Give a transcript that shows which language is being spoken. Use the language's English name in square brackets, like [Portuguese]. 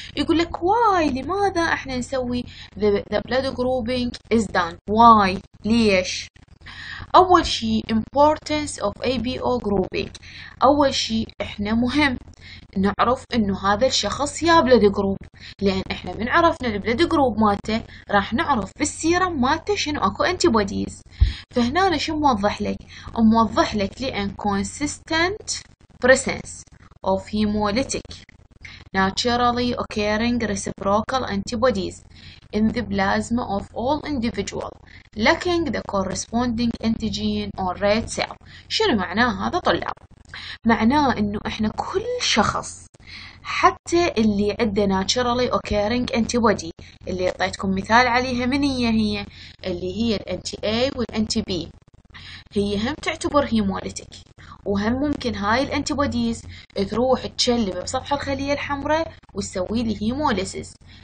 [Arabic] يقول لك why، لماذا إحنا نسوي [English] the blood grouping is done، [Arabic] why، ليش؟ أول شيء importance of ABO grouping، أول شيء إحنا مهم نعرف إنه هذا الشخص يا بلد جروب، لأن إحنا من عرفنا البلد جروب مالته راح نعرف بالسيرم مالته شنو أكو أنتيبوديز. فهنا أنا شو موضح لك؟ موضح لك لأن [English] consistent presence of hemolytic naturally occurring reciprocal antibodies in the plasma of all individual lacking the corresponding antigen or red cell. [Arabic] شنو معناه هذا طلاب؟ معناه انه احنا كل شخص حتى اللي عنده naturally occurring antibody اللي اعطيتكم مثال عليها من هي اللي هي الانتي اي والانتي بي، هي هم تعتبر هيموليتك، وهم ممكن هاي الانتيبوديز تروح تشلب بصفحة الخلية الحمراء وتسوي لي هيموليسيس.